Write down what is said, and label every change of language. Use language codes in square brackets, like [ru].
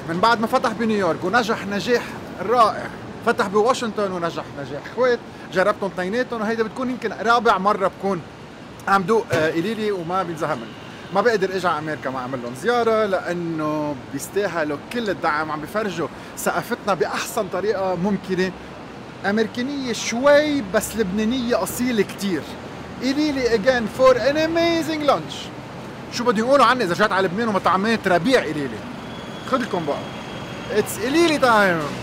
[ar] من بعد ما فتح بنيويورك ونجح نجاح رائع، فتح بواشنطن ونجح نجاح كويت، جربتهم طيناتهم، وهيدا بتكون يمكن رابع مرة بكون عم دوق إليلي وما بينزهق منه. ما بقدر اجي على امريكا ما اعمل لهم زياره لانه بيستاهلوا كل الدعم، عم بفرجوا ثقافتنا باحسن طريقه ممكنه. امريكانيه شوي بس لبنانيه اصيله كثير. [en] إليلي again for an amazing lunch. [ar] شو بدهم يقولوا عني اذا رجعت على لبنان وما طعميت ربيع إليلي؟ خذ لكم بقى، اتس إليلي تايم.